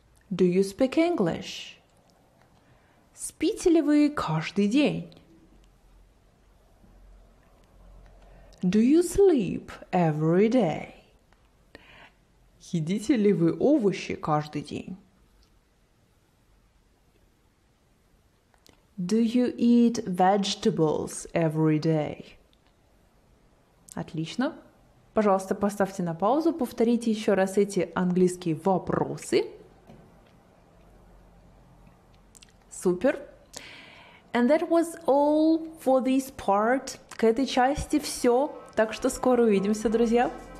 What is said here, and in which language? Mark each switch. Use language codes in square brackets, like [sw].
[en] Do you speak English? [ru] Спите ли вы каждый день? [en] Do you sleep every day? [ru] Едите ли вы овощи каждый день? [en] Do you eat vegetables every day? [ru] Отлично. Пожалуйста, поставьте на паузу, повторите еще раз эти английские вопросы. Супер. [en] And that was all for this part. [ru] К этой части все. Так что скоро увидимся, друзья.